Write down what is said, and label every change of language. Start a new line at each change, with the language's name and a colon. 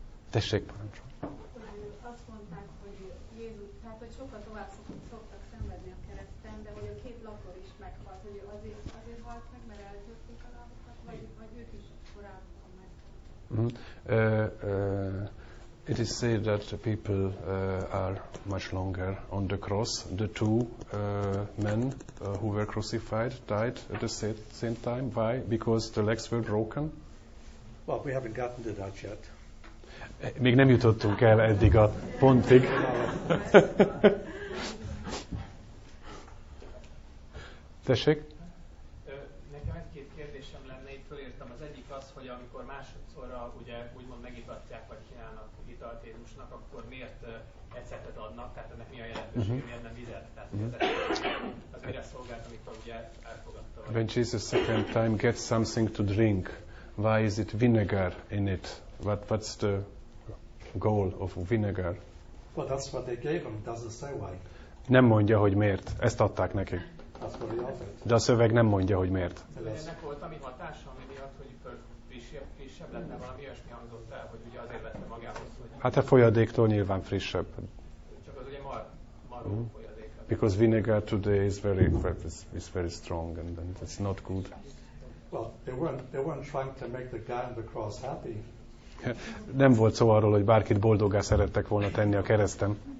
Hungarian: Tessék, parancsol. Azt mondták, hogy Jézus, tehát hogy sokkal tovább szoktak szenvedni a kereszten, de hogy a két lakor is meghalt, hogy azért halt meg, mert eltörték a lábukat, vagy ők is korábban meghalt.
English: It is said that the people are much longer on the cross. The two men who were crucified died at the same time. Why? Because the legs were broken? Well, we haven't gotten to that yet.
Hungarian: Még nem jutottunk el eddig a pontig. Tessék? Nekem egy-két kérdésem lenne, itt fölírtam. Az egyik az, hogy amikor másodszorra ugye úgymond megitatják, vagy kínálnak italt Jézusnak, akkor miért ecetet adnak? Tehát ennek mi a jelentőség? Miért nem vizet? Tehát az mire szolgált, amikor ugye elfogadta?
English: When Jesus second time gets something to drink, why is it vinegar in it? What's the goal of vinegar? Well, that's what they gave him. Doesn't say why.
Hungarian: Nem mondja, hogy miért. Ezt adták neki. De a szöveg nem mondja, hogy miért. Ennek volt ami hatása, ami miatt, hogy frissebb lett, valami ilyesmi hangzott el, hogy ugye azért vette magához, hogy... Hát a folyadéktól nyilván frissebb. Csak az ugye maró folyadék.
English: Because vinegar today is very strong and it's not good. Well, they weren't trying to make the guy on the cross happy.
Hungarian: Nem volt szó arról, hogy bárkit boldoggá szerettek volna tenni a kereszten.